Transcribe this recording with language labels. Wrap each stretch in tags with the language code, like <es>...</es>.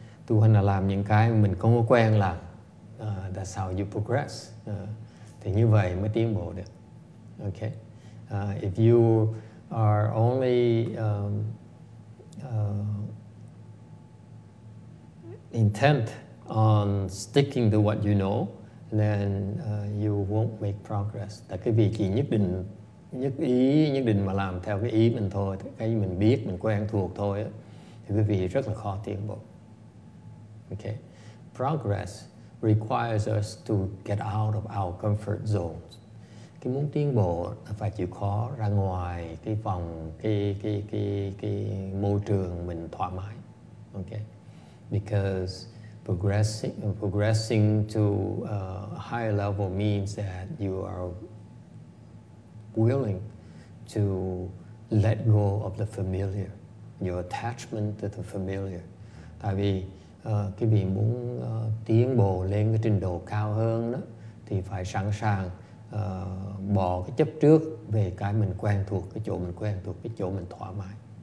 <vi>Tu hành là làm những cái mình không có quen làm.</vi> <en>That's how you progress.</en> <vi>thì như vậy mới tiến bộ được.</vi> <en>Okay. If you are only intent on sticking to what you know, then you won't make progress.</en> <vi>Tại cái vị trí nhất định, nhất ý, nhất định mà làm theo cái ý mình thôi, cái mình biết, mình quen thuộc thôi, thì cái vị rất là khó tiến bộ. Okay.</vi> <en>Progress requires us to get out of our comfort zones.</en> <vi>Cái muốn tiến bộ là phải chịu khó ra ngoài cái vòng, cái môi trường mình thoải mái.</vi> <en>Okay. Because progressing to a higher level means that you are willing to let go of the familiar, your attachment to the familiar.</en> <vi>Tại vì cái vị muốn tiến bộ lên cái trình độ cao hơn đó, thì phải sẵn sàng bỏ cái chấp trước về cái mình quen thuộc, cái chỗ mình quen thuộc, cái chỗ mình thoải mái.</vi>